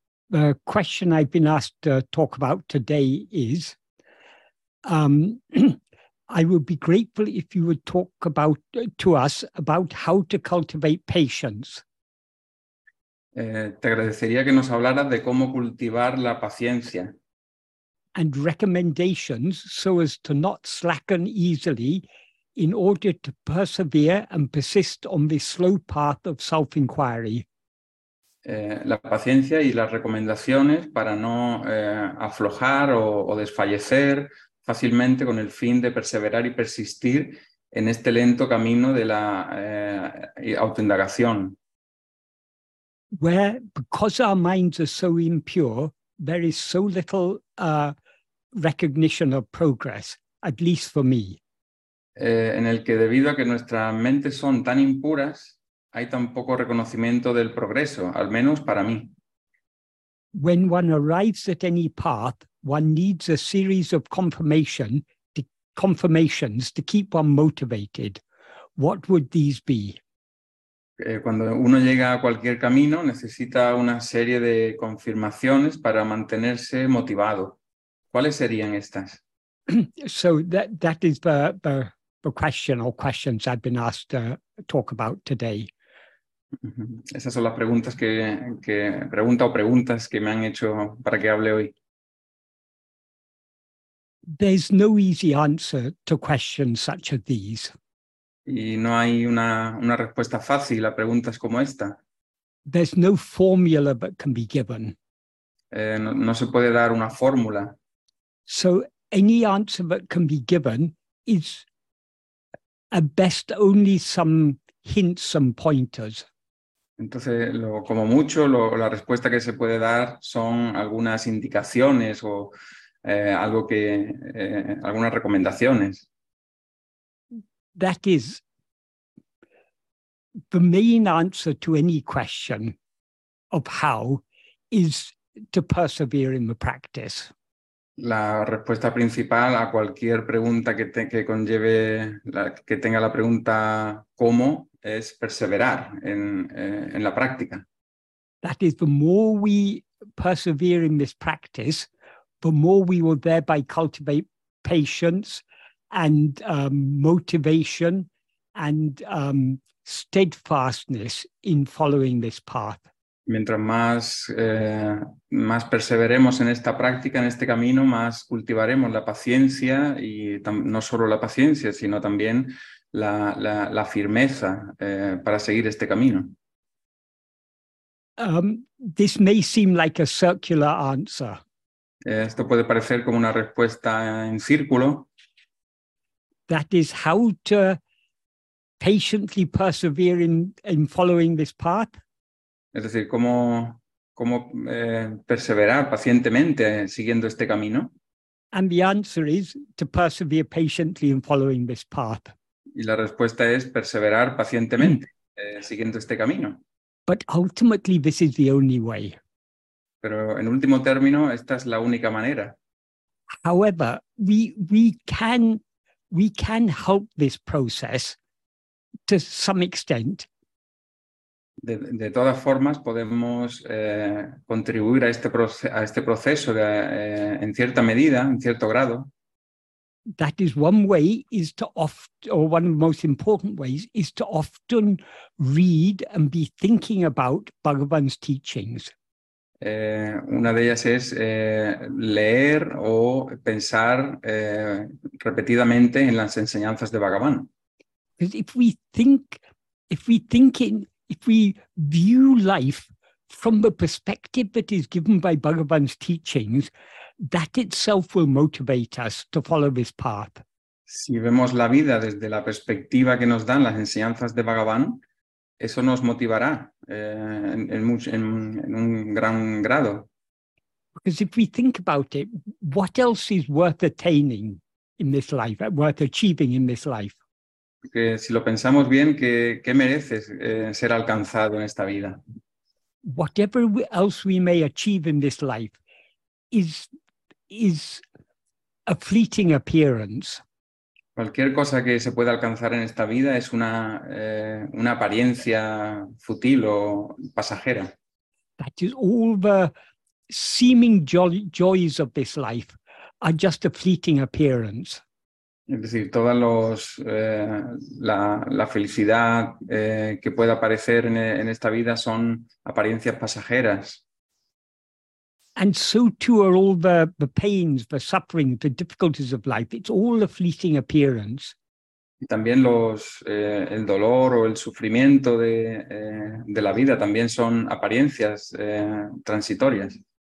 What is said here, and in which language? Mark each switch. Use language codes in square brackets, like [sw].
[en] The question I've been asked to talk about today is, I would be grateful if you would talk about to us about how to cultivate patience. [es] Te agradecería que nos hablara de cómo cultivar la paciencia. [en] And recommendations so as to not slacken easily in order to persevere and persist on this slow path of self-inquiry. [es] La paciencia y las recomendaciones para no aflojar o desfallecer fácilmente con el fin de perseverar y persistir en este lento camino de la autoindagación. [en] Where, because our minds are so impure, there is so little recognition of progress, at least for me. [es] En el que debido a que nuestras mentes son tan impuras, hay tan poco reconocimiento del progreso, al menos para mí. [en] When one arrives at any path, one needs a series of confirmations to keep one motivated. What would these be? [es] Cuando uno llega a cualquier camino, necesita una serie de confirmaciones para mantenerse motivado. ¿Cuáles serían estas? [en] So that is the question or questions I've been asked to talk about today. [es] Esas son las preguntas que pregunta o preguntas que me han hecho para que hable hoy. [en] There's no easy answer to questions such as these. [es] Y no hay una respuesta fácil a preguntas como esta. [en] There's no formula that can be given. [es] No se puede dar una fórmula. [en] So any answer that can be given is at best only some hints and pointers. [es] Entonces, la respuesta que se puede dar son algunas indicaciones o algunas recomendaciones. [en] That is the main answer to any question of how is to persevere in the practice. [es] La respuesta principal a cualquier pregunta que tenga la pregunta cómo es perseverar en la práctica. [en] That is, the more we persevere in this practice, the more we will thereby cultivate patience and motivation and steadfastness in following this path. [es] Mientras más, más perseveremos en esta práctica, en este camino, más cultivaremos la paciencia, y no solo la paciencia, sino también la firmeza para seguir este camino. [en] This may seem like a circular answer. [es] Esto puede parecer como una respuesta en círculo. [en] That is, how to patiently persevere in following this path. [es] Es decir, cómo perseverar pacientemente siguiendo este camino. [en] And the answer is to persevere patiently in following this path. [es] Y la respuesta es perseverar pacientemente siguiendo este camino. [en] But ultimately, this is the only way. [es] Pero en último término, esta es la única manera. [en] However, we can help this process to some extent. [es] De todas formas, podemos contribuir a este proceso en cierta medida, en cierto grado. [en] That is, one way is to often, or one of the most important ways is to often read and be thinking about Bhagavan's teachings. [es] Una de ellas es leer o pensar repetidamente en las enseñanzas de Bhagavan. [en] Because if we view life from the perspective that is given by Bhagavan's teachings, that itself will motivate us to follow this path. [es] Si vemos la vida desde la perspectiva que nos dan las enseñanzas de Bhagavan, eso nos motivará en un gran grado. [en] Because if we think about it, what else is worth attaining in this life, worth achieving in this life? [es] Porque si lo pensamos bien, ¿qué mereces ser alcanzado en esta vida? [en] Whatever else we may achieve in this life is a fleeting appearance. [es] Cualquier cosa que se pueda alcanzar en esta vida es una apariencia fútil o pasajera. [en] That is all the seeming joys of this life are just a fleeting appearance. [es] Es decir, todas la felicidad que pueda aparecer en esta vida son apariencias pasajeras. [en] And so too are all the pains, the suffering, the difficulties of life. It's all a fleeting appearance. [es] Y también el dolor o el sufrimiento de la vida también son apariencias transitorias.